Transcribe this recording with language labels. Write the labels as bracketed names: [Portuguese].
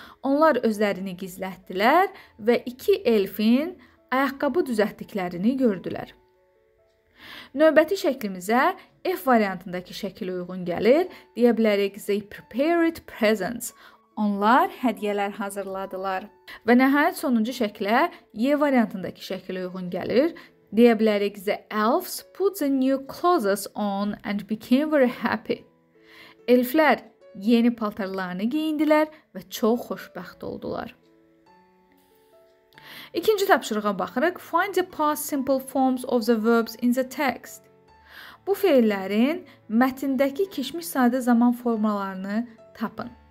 [Azerbaijani] Onlar özlərini gizlətdilər və iki elfin ayaqqabı düzəltdiklərini gördülər. Növbəti şəklimizə F variantındakı şəkil uyğun gəlir. Deyə bilərik, [English] they prepared presents. [Azerbaijani] Onlar hədiyələr hazırladılar. Və nəhayət sonuncu şəklə Y variantındakı şəkil uyğun gəlir. Deyə bilərik, [English] the elves put the new clothes on and became very happy. [Azerbaijani] Elflər yeni paltarlarını geyindilər və çox xoşbəxt oldular. İkinci tapşırığa baxırıq. [English] Find the past simple forms of the verbs in the text. [Azerbaijani] Bu feillərin mətindəki keçmiş sadə zaman formalarını tapın.